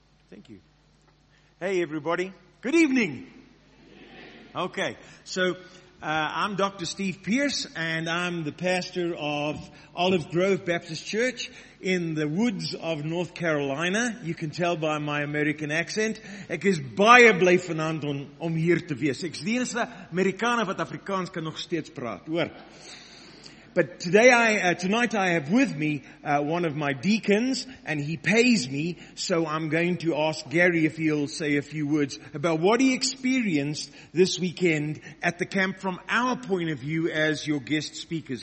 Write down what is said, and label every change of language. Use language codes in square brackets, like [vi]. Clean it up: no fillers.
[en] Thank you. Hey, everybody. Good evening. Okay, so I'm Dr. Steve Pierce, and I'm the pastor of Olive Grove Baptist Church in the woods of North Carolina. You can tell by my American accent. [af] Ek is baie bly vanaand om hier te wees. Ek is die enigste Amerikaner wat Afrikaans kan nog steeds praat, hoor. [en] But today tonight I have with me one of my deacons, and he pays me, so I'm going to ask Gary if he'll say a few words about what he experienced this weekend at the camp from our point of view as your guest speakers.